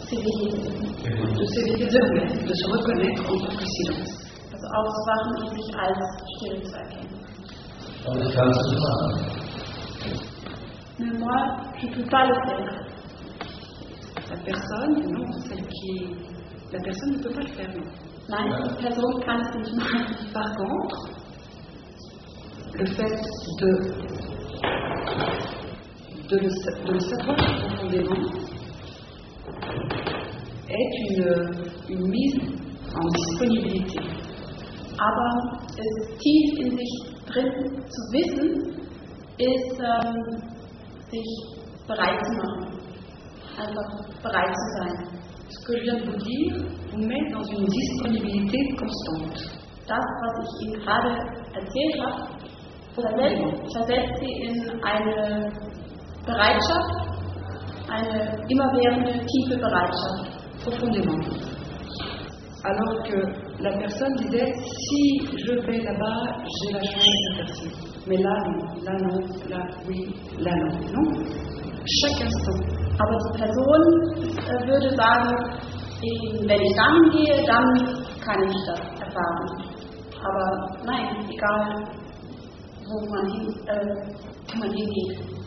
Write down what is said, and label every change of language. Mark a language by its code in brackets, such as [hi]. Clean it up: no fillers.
[fr] De se reconnaître en tant que silence. [de] Also aufzuwachen und sich als still zu erkennen. Und ich kann es nicht machen. [fr] Mais moi, je ne peux pas le faire. La personne, non, celle qui. La personne ne peut pas le faire, non. [de] Nein, ja. Die Person kann es nicht machen. [fr] Par contre, le fait de. de le savoir profondément est une mise en disponibilité. [de] Aber es tief in sich drin zu wissen, ist sich bereit zu machen. Einfach bereit zu sein. [fr] Ce que je viens de vous dire vous met dans une disponibilité constante. [de] Das, was ich Ihnen gerade erzählt habe, versetzt Sie in eine Bereitschaft, eine immerwährende tiefe Bereitschaft, profondément. [fr] Alors que la personne disait, si je vais là-bas, j'ai la chance de percer. Mais là, non. Là, non. Là, oui. Là, non. Non. Chaque instant. [de] Aber die Person würde sagen, wenn ich dann gehe, dann kann ich das erfahren. Aber nein, egal, wo man hingeht.